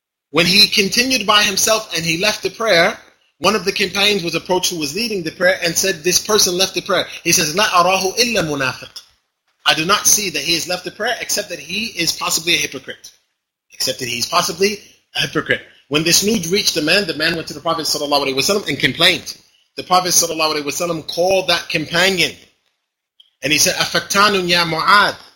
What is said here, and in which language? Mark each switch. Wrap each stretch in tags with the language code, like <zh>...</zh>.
<en>When he continued by himself and he left the prayer, one of the companions was approached who was leading the prayer and said, this person left the prayer. He says,</en> <ar>لا أراه إلا منافق.</ar> <en>I do not see that he has left the prayer except that he is possibly a hypocrite. Except that he is possibly a hypocrite. When this news reached the man went to the Prophet sallallahu alaihi wasallam and complained. The Prophet sallallahu alaihi wasallam called that companion, and he said, "Afatanun ya Mu'ad."</en>